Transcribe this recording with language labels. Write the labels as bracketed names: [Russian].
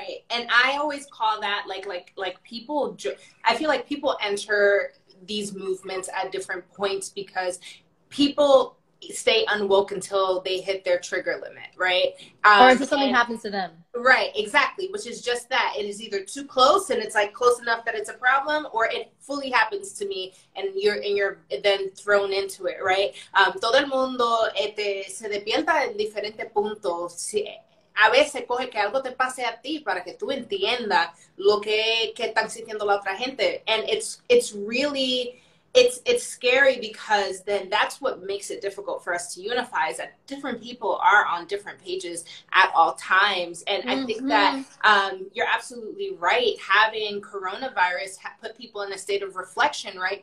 [English] And I always call that like people, I feel like people enter these movements at different points because people stay unwoke until they hit their trigger limit, right? Or until something happens to them. Right, exactly, which is just that. It is either too close and it's like close enough that it's a problem, or it fully happens to me and you're then thrown into it, right? [Spanish] Todo el mundo se despierta en diferentes puntos. A veces coge que algo te pase a ti para que tú entiendas lo que están sintiendo la otra gente. [English] And it's really... It's scary because then that's what makes it difficult for us to unify, is that different people are on different pages at all times. And mm-hmm. I think that you're absolutely right. Having coronavirus put people in a state of reflection, right?